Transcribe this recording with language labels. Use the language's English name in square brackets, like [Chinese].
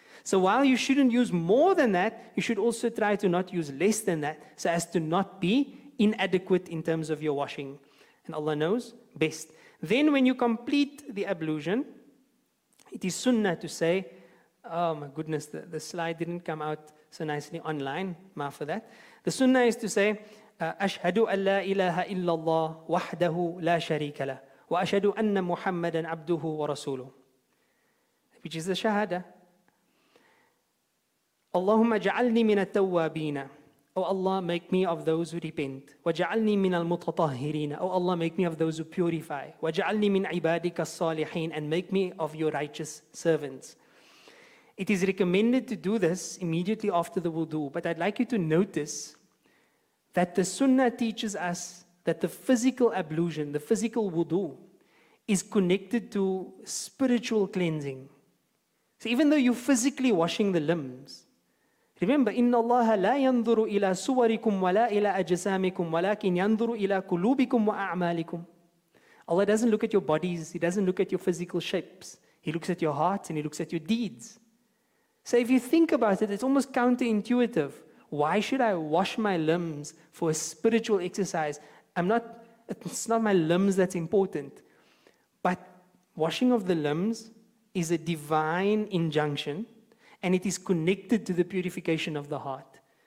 [English] So while you shouldn't use more than that, you should also try to not use less than that, so as to not be inadequate in terms of your washing. And Allah knows best. Then when you complete the ablution, it is sunnah to say, oh my goodness, the slide didn't come out so nicely online. Ma for that. The sunnah is to say, [Arabic] أَشْهَدُ أَنْ لَا إِلَهَ إِلَّا اللَّهِ وَحْدَهُ لَا شَرِيكَ لَهِ وَأَشْهَدُ أَنَّ مُحَمَّدًا عَبْدُهُ وَرَسُولُهُ. [English] Which is the shahada. [Arabic] اللهم اجعلني من التوابين. [English] Oh Allah, make me of those who repent. [Arabic] وجعلني من المتطهرين. [English] Oh Allah, make me of those who purify. [Arabic] وجعلني من عبادك الصالحين. [English] And make me of your righteous servants. It is recommended to do this immediately after the wudu. But I'd like you to notice that the sunnah teaches us that the physical ablution, the physical wudu, is connected to spiritual cleansing. So even though you're physically washing the limbs, remember, [Arabic] إِنَّ اللَّهَ لَا يَنْظُرُ إِلَىٰ سُوَرِكُمْ وَلَا إِلَىٰ أَجْسَامِكُمْ وَلَكِنْ يَنْظُرُ إِلَىٰ قُلُوبِكُمْ وَأَعْمَالِكُمْ. [English] Allah doesn't look at your bodies. He doesn't look at your physical shapes. He looks at your hearts and He looks at your deeds. So if you think about it, it's almost counterintuitive. Why should I wash my limbs for a spiritual exercise? It's not my limbs that's important. But washing of the limbs is a divine injunction, and it is connected to the purification of the heart.